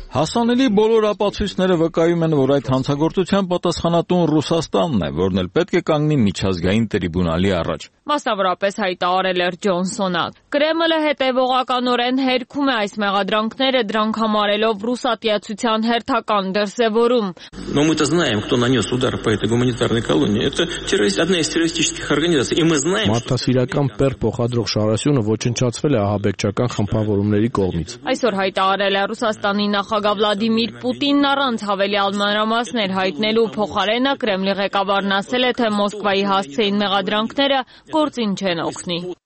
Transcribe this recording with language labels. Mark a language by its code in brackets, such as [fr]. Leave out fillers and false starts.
[hy] Հասանելի բոլոր ապացույցները վկայում են, որ այդ հանցագործության պատասխանատուն Ռուսաստանն է, որն էլ պետք է կանգնի միջազգային տրիբունալի առաջ։ Մասնավորապես հայտարարել էր Ջոնսոնը։ Կրեմլը հետևողականորեն հերքում է այս մեղադրանքները, դրանք համարելով ռուսատիացության հերթական դրսևորում։ [ru] Но мы-то знаем, кто нанёс удар по этой гуманитарной колонии. Это террорист, одна из террористических организаций, и мы знаем. [hy] Մարդասիրական բեռ փոխադրող Շարասյունը ոչնչացվել է ահաբեկչական խմբավորումների կողմից։ Այսօր հայտարարել է Ռուսաստանի նախագահ Վլադիմիր Պուտինն առանց հավելի անմանրամասներ հայտնելու փոխարենը Կրեմլի ղեկավարն ասել է, թե Մոսկվայի հասցեին մեղադրանքները գործին չեն օգնի։